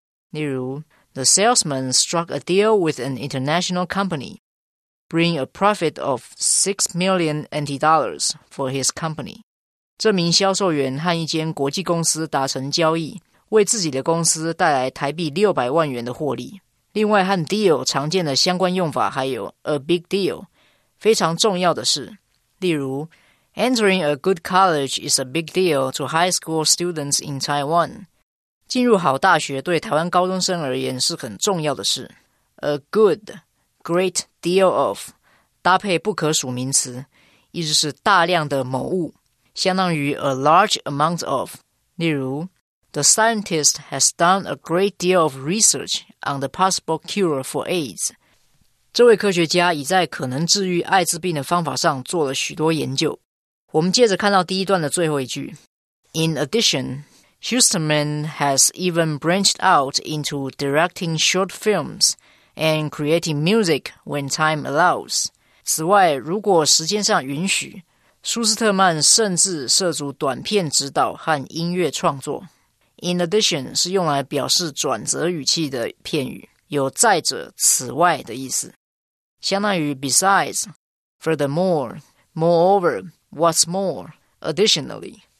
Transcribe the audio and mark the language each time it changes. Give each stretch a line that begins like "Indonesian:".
Chinese: 例如
English: the salesman struck a deal with an international company,bring a profit of $6 million for his company.
Chinese: 这名销售员和一间国际公司达成交易，为自己的公司带来台币600万元的获利。另外和 deal 常见的相关用法还有
English: a big deal,
Chinese: 非常重要的事。例如
English: entering a good college is a big deal to high school students in Taiwan.
Chinese: 进入好大学对台湾高中生而言是很重要的事。
English: A good,great deal of,
Chinese: 搭配不可数名词，意思是大量的某物，相当于
English: a large amount of,
Chinese: 例如
English: The scientist has done a great deal of research on the possible cure for AIDS.
Chinese: 这位科学家已在可能治愈艾滋病的方法上做了许多研究。我们接着看到第一段的最后一句。
English: In addition, Schusterman has even branched out into directing short films and creating music when time allows.
Chinese: 此外，如果时间上允许，舒斯特曼甚至涉足短片指导和音乐创作。 In addition 是用来表示转折语气的片语，有再者、此外的意思，相当于
English: besides, furthermore, moreover, what's more, additionally。